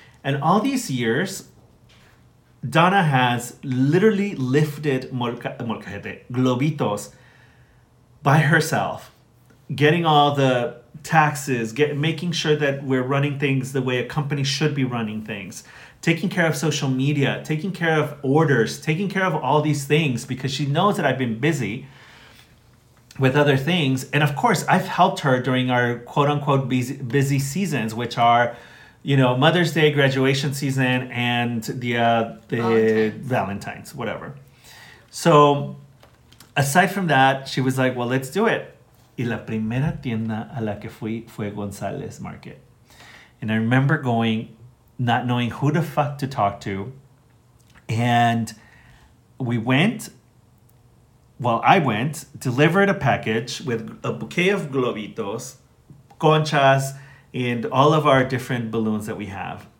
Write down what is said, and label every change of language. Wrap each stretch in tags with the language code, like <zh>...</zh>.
<en>And all these years, Donna has literally lifted Globitos by herself, getting all the taxes, making sure that we're running things the way a company should be running things, taking care of social media, taking care of orders, taking care of all these things because she knows that I've been busy with other things. And of course, I've helped her during our quote-unquote busy seasons, which are, you know, Mother's Day, graduation season, and the Valentine's, whatever. So aside from that, she was like, well, let's do it.</en> <es>Y la primera tienda a la que fui fue González Market.</es> <en>And I remember going, not knowing who the fuck to talk to. And we went, well, I went, delivered a package with a bouquet of globitos, conchas, and all of our different balloons that we have.</en>